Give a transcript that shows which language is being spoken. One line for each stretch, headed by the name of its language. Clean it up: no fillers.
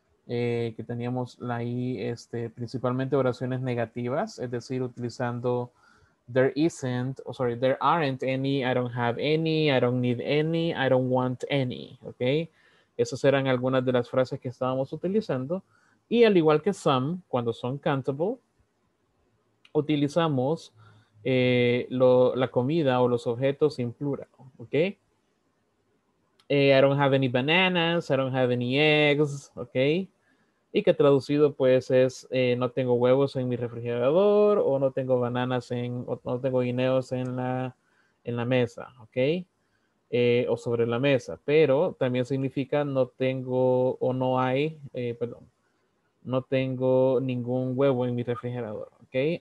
Spanish: que teníamos ahí principalmente oraciones negativas, es decir, utilizando
English: there isn't, oh, sorry, there aren't any, I don't have any, I don't need any, I don't want any, ¿ok?
Spanish: Esas eran algunas de las frases que estábamos utilizando. Y al igual que some, cuando son countable, utilizamos la comida o los objetos en plural, ¿ok?
English: I don't have any bananas, I don't have any eggs, ¿ok?
Spanish: Y que traducido pues es no tengo huevos en mi refrigerador o no tengo bananas en, o no tengo guineos en la mesa, ¿ok? O sobre la mesa, pero también significa no tengo o no hay, no tengo ningún huevo en mi refrigerador, ¿ok?